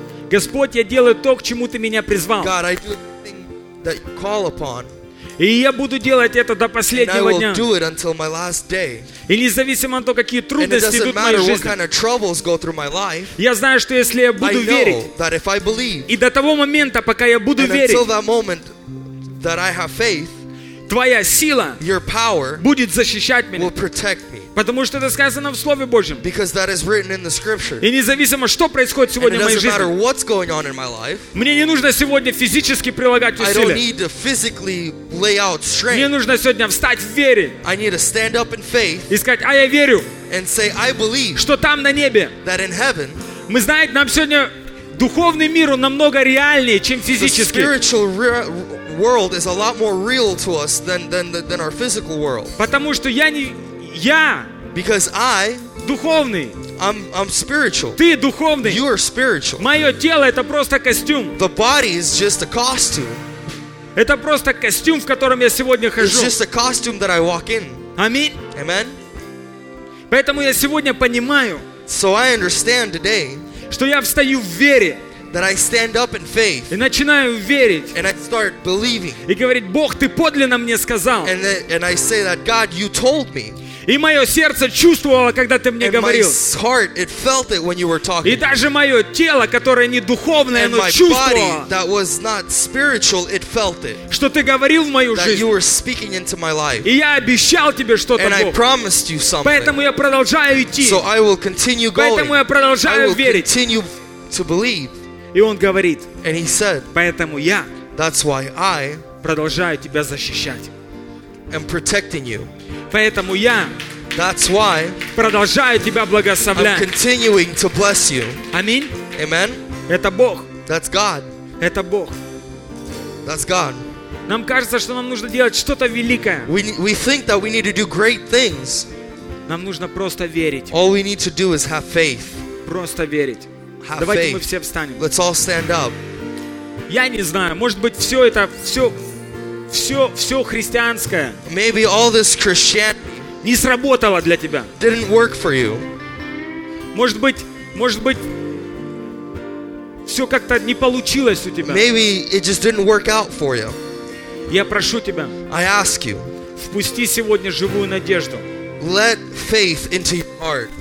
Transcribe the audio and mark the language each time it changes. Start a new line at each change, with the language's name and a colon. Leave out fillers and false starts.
Russian: Господь, я делаю то, к чему ты меня призвал.
English: God, I do the thing that you call upon.
Russian: И я буду делать это до последнего дня. И независимо от того, какие трудности идут в моей жизни,
English: kind of troubles go through my life,
Russian: я знаю, что если я буду верить,
English: that if I believe,
Russian: и до того момента, пока я буду верить,
English: until that moment, that I have faith,
Russian: твоя сила,
English: your power,
Russian: будет защищать меня,
English: will protect me,
Russian: потому что это сказано в Слове Божьем.
English: Because that is written in the scripture.
Russian: И независимо, что происходит сегодня в моей жизни,
English: doesn't matter what's going on in my life,
Russian: мне не нужно сегодня физически прилагать усилия.
English: I don't need to physically lay out strength.
Russian: Мне нужно сегодня встать в вере.
English: I need to stand up in faith.
Russian: И сказать, а я верю.
English: And say, I believe.
Russian: Что там на небе?
English: That in heaven.
Russian: Мы знаем, нам сегодня духовный мир, он намного реальнее, чем физический.
English: The spiritual world is a lot more real to us than our physical world.
Russian: Потому что я не я.
English: Because I
Russian: духовный.
English: I'm spiritual.
Russian: Ты духовный.
English: You are spiritual.
Russian: Мое тело это просто костюм.
English: The body is just a costume.
Russian: Это просто костюм, в котором я сегодня хожу.
English: It's just a costume that I walk in.
Russian: Аминь.
English: Amen.
Russian: Поэтому я сегодня понимаю.
English: So I understand today.
Russian: Что я встаю в вере.
English: That I stand up in faith.
Russian: И начинаю верить.
English: And I start believing.
Russian: И говорить, Бог, ты подлинно мне сказал.
English: And I say that, God, you told me.
Russian: И мое сердце чувствовало, когда ты мне
English: and
Russian: говорил.
English: My heart, it felt it when you were talking.
Russian: И даже мое тело, которое не духовное,
English: and
Russian: оно чувствовало.
English: My body, that was not spiritual, it felt it.
Russian: Что ты говорил в мою
English: that
Russian: жизнь.
English: You were speaking into my life.
Russian: И я обещал тебе что-то,
English: and
Russian: Бог.
English: I promised you something.
Russian: Поэтому я продолжаю идти.
English: So I will continue going.
Russian: Поэтому я продолжаю
English: I will
Russian: верить.
English: Continue to believe.
Russian: И он говорит,
English: and he said,
Russian: поэтому я
English: that's why I
Russian: продолжаю тебя защищать.
English: am protecting you.
Russian: Поэтому я
English: That's why
Russian: продолжаю тебя благословлять.
English: I'm continuing to bless you. Amen. Amen.
Russian: Это Бог.
English: That's God.
Russian: Это Бог.
English: That's God.
Russian: Нам кажется, что нам нужно делать что-то великое.
English: We think that we need to do great things.
Russian: Нам нужно просто верить.
English: All we need to do is have faith.
Russian: Просто верить.
English: Have
Russian: Давайте
English: faith.
Russian: Мы все встанем.
English: Let's all stand up.
Russian: Я не знаю, может быть, все это, все христианское.
English: Maybe all this Christianity
Russian: не сработало для тебя.
English: Didn't work for you.
Russian: Может быть, все как-то не получилось у тебя.
English: Maybe it just didn't work out for you.
Russian: Я прошу тебя.
English: I ask you.
Russian: Впусти сегодня живую надежду.
English: Let faith into your heart.